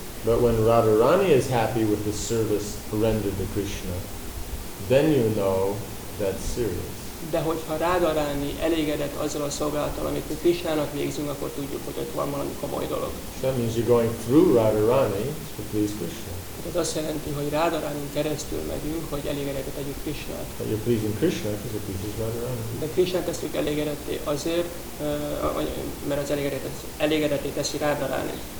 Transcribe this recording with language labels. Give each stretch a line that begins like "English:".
English: But when Radharani is happy with the service rendered to Krishna, then you know that's serious.
Hungarian: De hogyha Radharani elégedett azzal a szolgálattal, amit mi Krishnának végzünk, akkor tudjuk, hogy ott van valami komoly dolog.
English: So that means you're going through Radharani to please Krishna.
Hungarian: Ez azt jelenti, hogy Radharani keresztül megyünk, hogy elégedettet tegyük Krishnát.
English: But you're pleasing Krishna, because it pleases Radharani.
Hungarian: De Krishnát teszünk elégedetté azért, mert az elégedetté teszi Radharani.